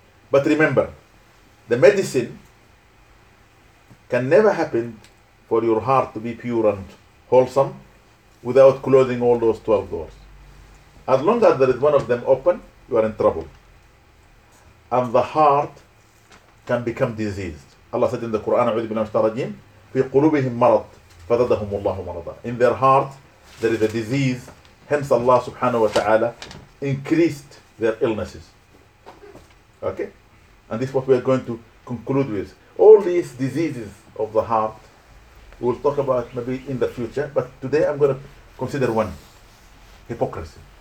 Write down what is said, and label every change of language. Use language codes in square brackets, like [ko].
[en] But remember, the medicine can never happen for your heart to be pure and wholesome without closing all those 12 doors. As long as there is one of them open, you are in trouble. And the heart can become diseased. Allah said in the Quran, [ar] أعوذ بالله من الشيطان الرجيم, في قلوبهم مرض فزادهم الله مرضا. [en] In their heart, there is a disease. Hence Allah subhanahu wa ta'ala increased their illnesses. Okay? And this is what we are going to conclude with. All these diseases of the heart, we'll talk about maybe in the future, but today I'm going to consider one, hypocrisy.